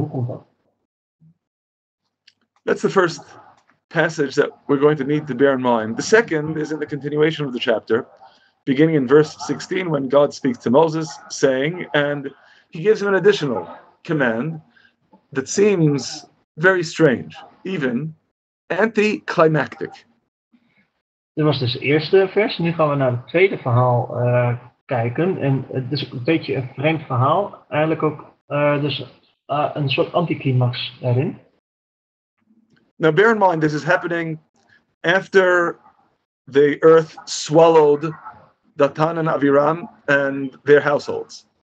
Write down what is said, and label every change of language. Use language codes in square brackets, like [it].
[nl] Hoe komt dat? [en] That's the first passage that we're going to need to bear in mind. The second is in the continuation of the chapter, beginning in verse 16, when God speaks to Moses, saying, and he gives him an additional command that seems very strange, even anticlimactic. [nl] Dit was dus het eerste vers. Nu gaan we naar het tweede verhaal kijken. En het is een beetje een vreemd verhaal. Eigenlijk ook een soort anticlimax daarin. [en] Now bear in mind, this is happening after the earth swallowed Datan en Aviram and their households.